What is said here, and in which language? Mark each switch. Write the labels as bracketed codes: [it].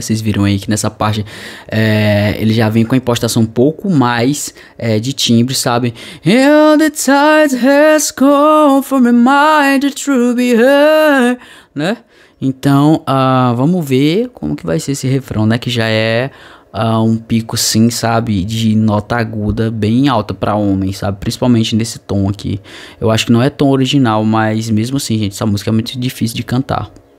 [pt] Vocês viram aí que nessa parte é, ele já vem com a impostação um pouco mais de timbre, sabe? [en] And the tide has come for my mind to be heard, [pt] né? Então, vamos ver como que vai ser esse refrão, né? Que já é um pico, sim, sabe? De nota aguda bem alta pra homem, sabe? Principalmente nesse tom aqui. Eu acho que não é tom original, mas mesmo assim, gente, essa música é muito difícil de cantar.